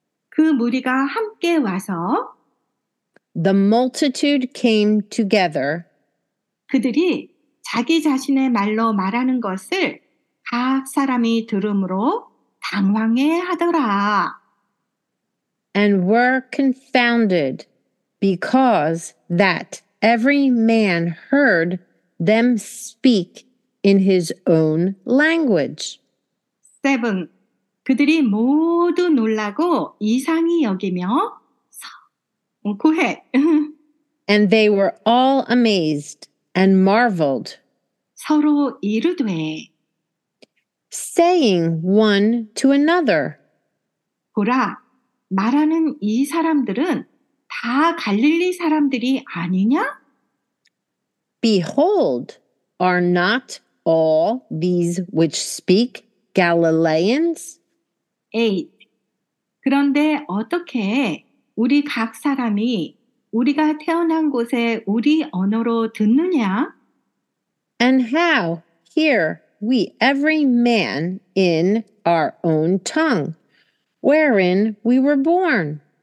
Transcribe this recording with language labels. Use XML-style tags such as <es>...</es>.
<ko>그 무리가 함께 와서,</ko> <en>the multitude came together,</en> <ko>그들이 자기 자신의 말로 말하는 것을 각 사람이 들음으로, 당황해 하더라.</ko> <en>And were confounded because that every man heard them speak in his own language.</en> <ko>7. 그들이 모두 놀라고 이상히 여기며</ko> <en>go ahead. And they were all amazed and marveled.</en> <ko>서로 이르되</ko> <en>Saying one to another.</en> <ko>보라, 말하는 이 사람들은 다 갈릴리 사람들이 아니냐?</ko> <en>Behold, are not all these which speak Galileans? 8.</en> <ko>그런데 어떻게 우리 각 사람이 우리가 태어난 곳에 우리 언어로 듣느냐?</ko> <en>And how here? We every man in our own tongue, wherein we were born.</en>